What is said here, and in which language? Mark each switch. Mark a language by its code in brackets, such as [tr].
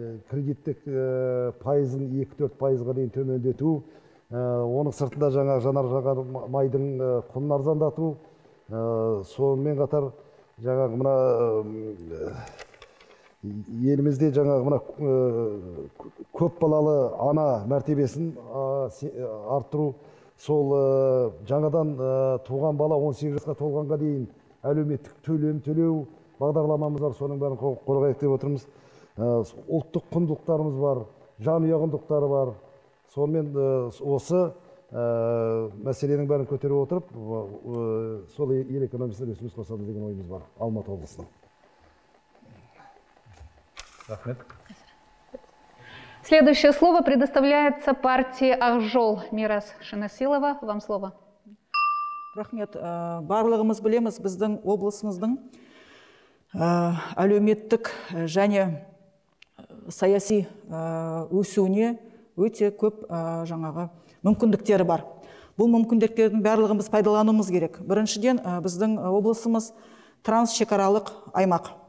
[kk] кредиттік пайызын 2-4% дейін төмендету, оның сыртында жаңағы жанар-жағар майдың құнын арзандату, сонымен қатар жаңағы мына елімізде жаңағы мына көп балалы ана мәртебесін арттыру, сол жаңадан туған бала 18 жасқа толғанға дейін әлеуметтік төлем төлеу бағдарламамыз бар, соның бәрін қорғайық деп отырмыз. Ұлттық құндылықтарымыз бар, жанұя құндылықтары бар. Сонымен осы мәселенің бәрін көтеріп отырып, сол ел экономикасына үлесіміз қосады деген ойымыз бар Алматы облысының. Рахмет. [ru] Следующее слово предоставляется партии Ак Жол. Мирас Шинасилова, вам слово. [kk] Рахмет. Барлығымыз білеміз, біздің облысымыздың әлеуметтік және саяси өсуіне өте көп жаңағы мүмкіндіктері бар. Бұл мүмкіндіктердің барлығымыз пайдалануымыз керек. Біріншіден, біздің облысымыз трансшекаралық аймақ.